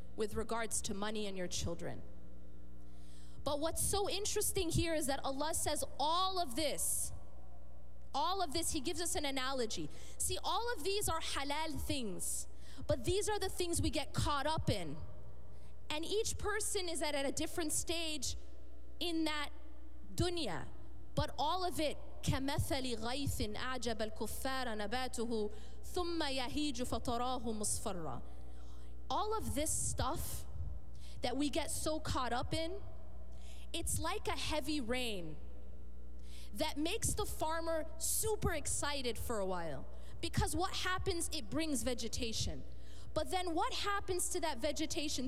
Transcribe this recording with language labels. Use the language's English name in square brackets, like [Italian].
[English] with regards to money and your children. But what's so interesting here is that Allah says all of this, he gives us an analogy. See, all of these are halal things, but these are the things we get caught up in. And each person is at a different stage in that dunya. But all of it, [Arabic] كَمَثَلِ غَيْثٍ أَعْجَبَ الْكُفَّارَ نَبَاتُهُ ثُمَّ يَهِيجُ فَطَرَاهُ مُصْفَرًّا. [English] All of this stuff that we get so caught up in, it's like a heavy rain that makes the farmer super excited for a while. Because what happens? It brings vegetation. But then what happens to that vegetation?